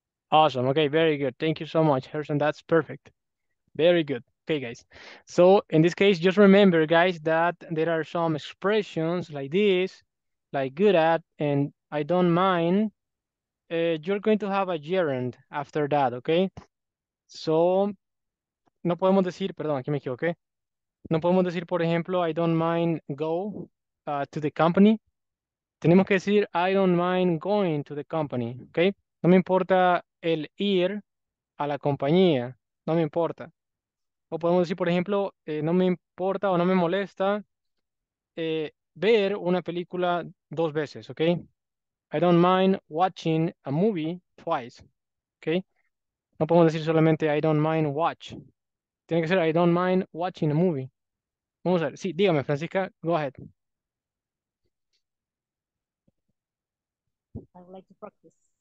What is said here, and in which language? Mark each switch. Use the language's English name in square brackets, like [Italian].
[English] Awesome. Okay, very good. Thank you so much, Harrison. That's perfect. Very good. Okay, guys. So in this case, just remember, guys, that there are some expressions like this, like good at, and I don't mind. You're going to have a gerund after that, okay? [Spanish] So, no podemos decir, perdón, aquí me equivoqué. No podemos decir, por ejemplo, [English] I don't mind go to the company. [Spanish] Tenemos que decir, [English] I don't mind going to the company, okay? [Spanish] No me importa el ir a la compañía, no me importa. O podemos decir, por ejemplo, no me importa o no me molesta ver una película dos veces, okay? [English] I don't mind watching a movie twice, okay? [Spanish] No podemos decir solamente [English] I don't mind watch. [Spanish] Tiene que ser [English] I don't mind watching a movie. [Spanish] Vamos a ver. Sí, dígame, [English] Francisca. Go ahead. I would like to practice.